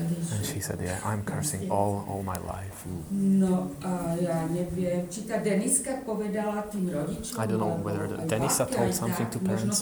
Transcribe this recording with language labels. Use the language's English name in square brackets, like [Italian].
[English] And she said, yeah, I'm cursing all my life. [Slovak] No, a ja neviem, či tá Deniska povedala tým rodičom. [English] I don't know whether Denisa told something to parents